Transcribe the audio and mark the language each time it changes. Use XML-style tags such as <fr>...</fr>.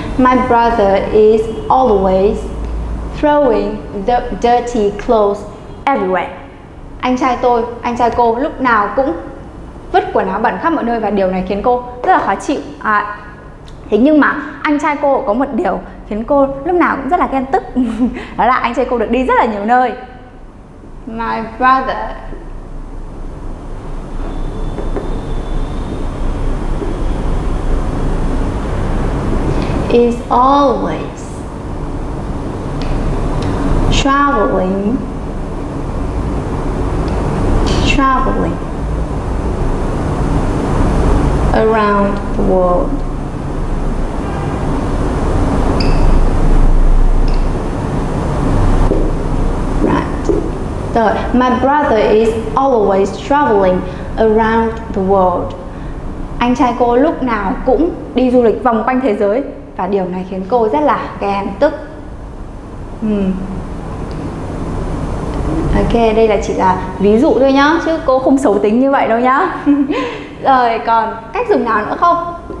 <en>My brother is always throwing the dirty clothes everywhere.</en> <vi>Anh trai tôi, anh trai cô lúc nào cũng vứt quần áo bẩn khắp mọi nơi và điều này khiến cô rất là khó chịu. À, thế nhưng mà anh trai cô có một điều khiến cô lúc nào cũng rất là ghen tức. Đó là anh trai cô được đi rất là nhiều nơi.</vi> <en>My brother is always traveling around the world. Right. So, my brother is always traveling around the world.</en> <vi>Anh trai cô lúc nào cũng đi du lịch vòng quanh thế giới và điều này khiến cô rất là ghen tức. Ok, đây là chỉ là ví dụ thôi nhá, chứ cô không xấu tính như vậy đâu nhá. Rồi, còn cách dùng nào nữa không?</vi>